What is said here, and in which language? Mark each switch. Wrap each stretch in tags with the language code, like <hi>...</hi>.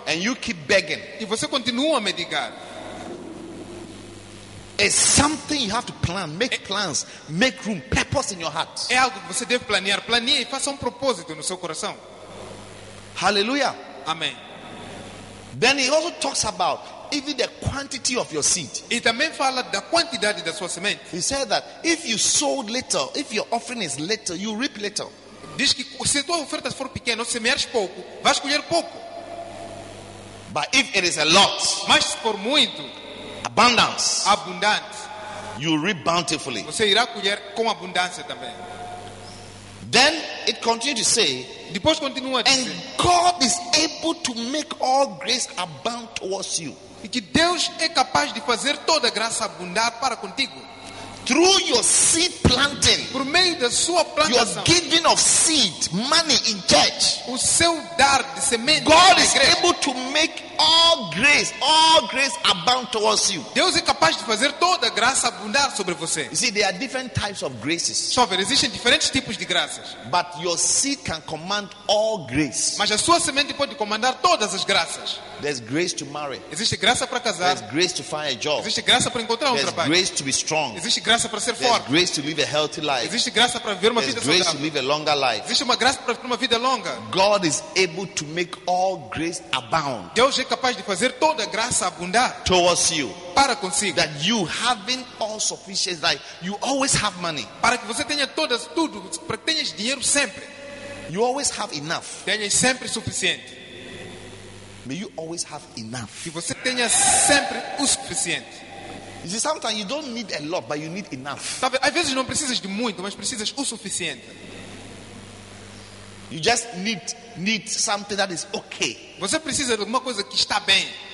<en>And you keep begging.</en> <pt>E você continua a mendigar.</pt> <en>It's something you have to plan, make plans, make room, purpose in your heart.</en> <pt>É algo que você deve planear, planeie e faça propósito no seu coração.</pt> <en>Hallelujah.</en> <pt>Amém.</pt> <en>Then he also talks about even the quantity of your seed.</en> <pt>E também fala da quantidade da sua semente.</pt> <en>He said that if you sow little, if your offering is little, you reap little.</en> <pt>Diz que se tua oferta for pequena, semeares pouco, vais colher pouco.</pt> <en>But if it is a lot,</en> <pt>mas se for muito,</pt> <en>abundance,</en> <pt>abundante,</pt> <en>you reap bountifully.</en> <pt>Você irá colher com abundância também.</pt> <en>Then it continues to say,</en> <pt>depois continua a dizer,</pt> <en>and God is able to make all grace abound towards you.</en> <pt>E que Deus é capaz de fazer toda a graça abundar para contigo.</pt> <en>Through your seed planting,</en> <pt>por meio da sua plantação,</pt> <en>your giving of seed, money in church,</en> <pt>o seu dar de semente,</pt> <en>God is</en> <pt>igreja,</pt> <en>able to make all grace abound towards you.</en> <pt>Deus é capaz de fazer toda a graça abundar sobre você.</pt> <en>You see, there are different types of graces.</en> <pt>Só ver, existem diferentes tipos de graças.</pt> <en>But your seed can command all grace.</en> <pt>Mas a sua semente pode comandar todas as graças.</pt> <en>There's grace to marry.</en> <pt>Existe graça para casar.</pt> <en>There's grace to find a job.</en> <pt>Existe graça para encontrar</pt> <en>There's</en> <pt>trabalho.</pt> <en>Grace to be strong.</en> <pt>Existe graça para ser</pt> <en>There's</en> <pt>forte.</pt> <en>There's grace to live a healthy life.</en> <pt>Existe graça para viver uma</pt> <en>There's grace</en> <pt>saudável.</pt> <en>To live a longer life.</en> <pt>Existe uma graça para viver uma vida longa.</pt> <en>God is able to make all grace abound.</en> <pt>Deus é capaz de fazer toda a graça abundar</pt> <en>towards you.</en> <pt>Para consigo.</pt> <en>That you having all sufficient life, you always have money.</en> <pt>Para que você tenha todas tudo, para que tenhas dinheiro sempre.</pt> <en>You always have enough.</en> <pt>Tenhas sempre suficiente.</pt> <en>May you always have enough.</en> <pt>Que você tenha sempre o suficiente.</pt> <en>You see, sometimes you don't need a lot, but you need enough.</en> <pt>Sabe, às vezes não precisas de muito, mas precisas o suficiente.</pt> <en>You just need something that is okay.</en> <pt>Você precisa de alguma coisa que está bem.</pt>